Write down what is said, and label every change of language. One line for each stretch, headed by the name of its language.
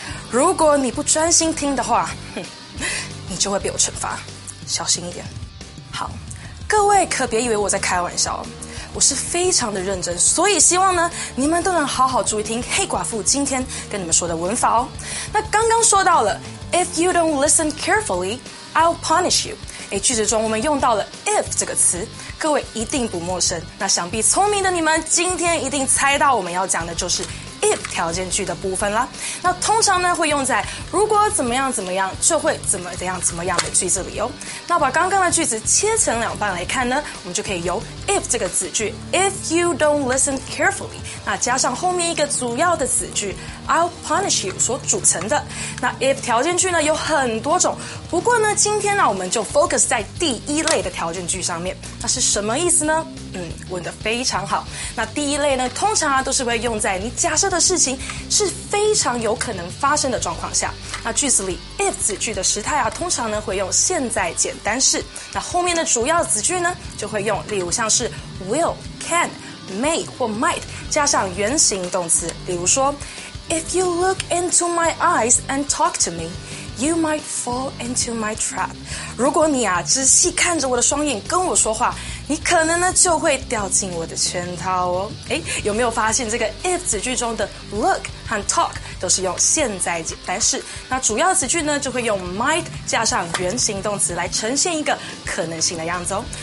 Chinese: 如果你不专心听的话，你就会被我惩罚。小心一点。好，各位可别以为我在开玩笑，我是非常的认真，所以希望呢，你们都能好好注意听黑寡妇今天跟你们说的文法哦。
English: 那刚刚说到了 ，If you don't listen carefully, I'll punish you.
Chinese: 哎，句子中我们用到了 if 这个词。各位一定不陌生，那想必聪明的你们今天一定猜到我们要讲的就是 if 条件句的部分啦。那通常呢会用在如果怎么样怎么样就会怎么样怎么样的句子里哦。那把刚刚的句子切成两半来看呢，我们就可以由 if 这个子句 if you don't listen carefully，那加上后面一个主要的子句 I'll punish you 所组成的。那 if 条件句呢有很多种。不过呢今天呢我们就 focus 在第一类的条件句上面。那是什么意思呢问得非常好。那第一类呢通常啊都是会用在你假设的事情是非常有可能发生的状况下。那句子里 if 子句的时态啊通常呢会用现在简单式。那后面的主要子句呢就会用例如像是 will, can, may 或 might 加上原形动词。
English: 例如说 ,if you look into my eyes and talk to me,You might fall into my trap.
Chinese: 如果你啊仔细看着我的双眼跟我说话，你可能呢就会掉进我的圈套哦。哎，有没有发现这个 if 子句中的 look 和 talk 都是用现在简单式？那主要子句呢就会用 might 加上原形动词来呈现一个可能性的样子哦。